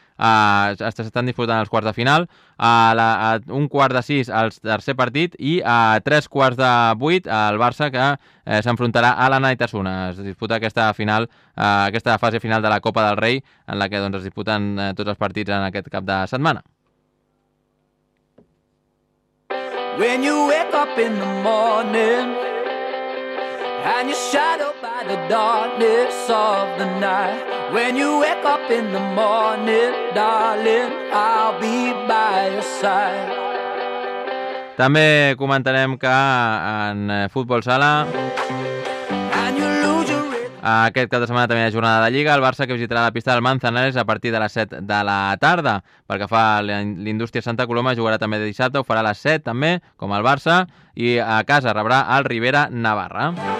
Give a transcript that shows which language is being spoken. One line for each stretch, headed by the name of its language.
Catalan: S'estan disputant els quarts de final. A un quart de sis, el tercer partit, i a tres quarts de vuit, el Barça, que s'enfrontarà a la Naitasuna. Es disputa aquesta final, aquesta fase final de la Copa del Rei, en la que doncs, es disputen tots els partits en aquest cap de setmana.
English: When you wake up in the morning and you're shadowed by the darkness of the night. When you wake up in the morning, darling, I'll be by your side.
Catalan: També comentarem que en futbol sala aquest cap de setmana també hi ha jornada de Lliga. El Barça que visitarà la pista del Manzanares a partir de les 7 de la tarda. Pel que fa a l'Indústria Santa Coloma, jugarà també de dissabte, ho farà a les 7 també, com el Barça, i a casa rebrà el Rivera Navarra.